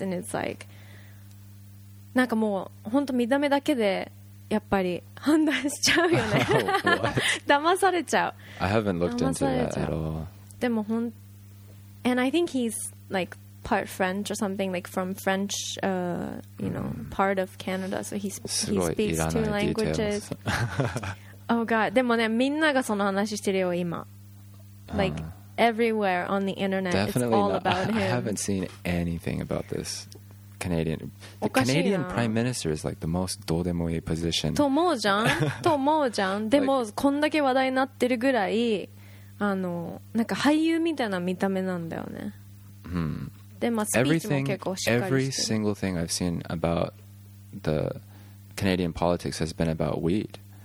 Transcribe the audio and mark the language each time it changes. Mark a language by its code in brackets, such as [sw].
[en] And it's like, [ja] なんかもう本当見た目だけでやっぱり判断しちゃうよね。騙されちゃう。 [en] I haven't looked into that at all. [ja] でも本当、 [en] and I think he's like,part French or something, like from French, you know, part of Canada. So he speaks two languages. Oh, God. [ja] でもね、みんながその話してるよ、今。 [en] Like, everywhere on the internet, definitely it's all not. About him. I haven't seen anything about this Canadian. The Canadian Prime Minister is like the most [ja] どうでもいい [en] position. [ja] と思うじゃん。と思うじゃん。でも、like, こんだけ話題になってるぐらい、あの、なんか俳優みたいな見た目なんだよね。 [en] Hmm. Every single thing I've seen about the Canadian politics has been about weed.